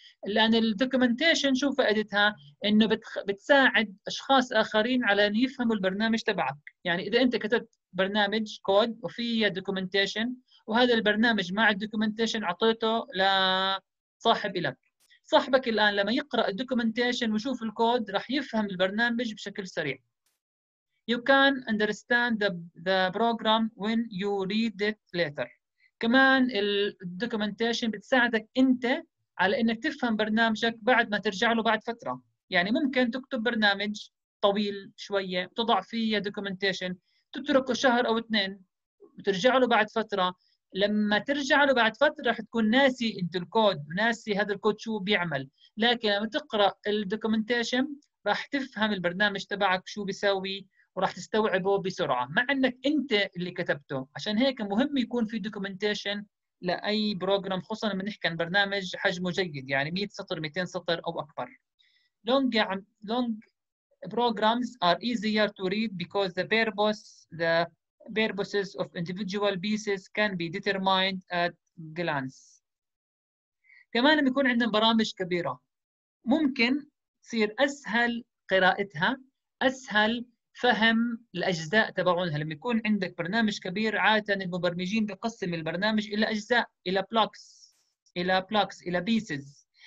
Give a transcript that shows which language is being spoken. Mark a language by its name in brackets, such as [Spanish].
[Arabic] لأن الدوكيومنتيشن شو فائدتها؟ إنه بتساعد أشخاص آخرين على أن يفهموا البرنامج تبعك. يعني إذا أنت كتبت برنامج كود وفيه دوكيومنتيشن وهذا البرنامج مع الدوكيومنتيشن عطيته لصاحب لك، صاحبك الآن لما يقرأ الدوكيومنتيشن ويشوف الكود راح يفهم البرنامج بشكل سريع. [English] You can understand the program when you read it later. [Arabic] كمان الدوكيومنتيشن بتساعدك أنت على انك تفهم برنامجك بعد ما ترجع له بعد فتره. يعني ممكن تكتب برنامج طويل شويه تضع فيه دوكيومنتيشن تتركه شهر او اثنين وترجع له بعد فتره، لما ترجع له بعد فتره راح تكون ناسي انت الكود، ناسي هذا الكود شو بيعمل، لكن لما تقرا الدوكيومنتيشن راح تفهم البرنامج تبعك شو بيسوي وراح تستوعبه بسرعه مع انك انت اللي كتبته. عشان هيك مهم يكون في دوكيومنتيشن لأي بروجرام، خصوصا لما نحكي عن برنامج حجمه جيد يعني 100 سطر 200 سطر او اكبر. [English] Long programs are easier to read because the purposes of individual pieces can be determined at glance. [Arabic] كمان لما يكون عندنا برامج كبيرة ممكن تصير اسهل قراءتها، اسهل فهم الأجزاء تبعونها. لما يكون عندك برنامج كبير عادة المبرمجين بيقسم البرنامج إلى أجزاء، إلى بلوكس، إلى بلوكس، إلى بيسز.